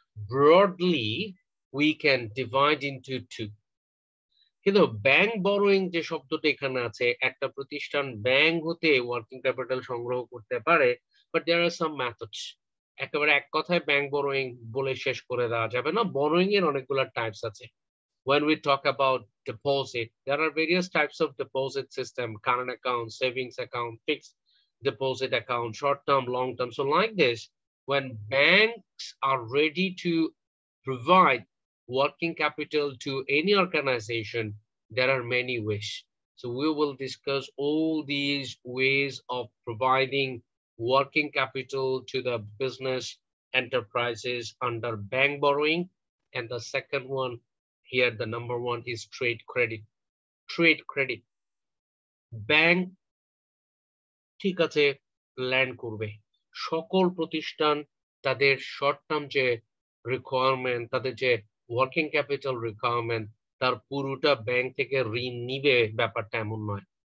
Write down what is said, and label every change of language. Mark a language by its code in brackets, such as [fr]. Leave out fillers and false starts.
[en] Broadly we can divide into two. [bn] কিন্তু bank borrowing যে শব্দটি এখানে আছে, একটা প্রতিষ্ঠান ব্যাংক হতে ওয়ার্কিং ক্যাপিটাল সংগ্রহ করতে পারে, [en] But there are some methods. [bn] একেবারে এক কথায় ব্যাংক বরোয়িং বলে শেষ করে দেওয়া যাবে না, বরোয়িং এর অনেকগুলো টাইপস আছে। [en] When we talk about deposit, there are various types of deposit system, current account, savings account, fixed deposit account, short term, long term. So like this, when banks are ready to provide working capital to any organization, there are many ways. So we will discuss all these ways of providing working capital to the business enterprises under bank borrowing. And the second one, here the number one is trade credit. [bn] Bank ঠিক আছে lend করবে, সকল প্রতিষ্ঠান তাদের short term যে requirement, তাদের যে working capital requirement, তার পুরোটা ব্যাংক থেকে ঋণ নিবে, ব্যাপারটা এমন নয়।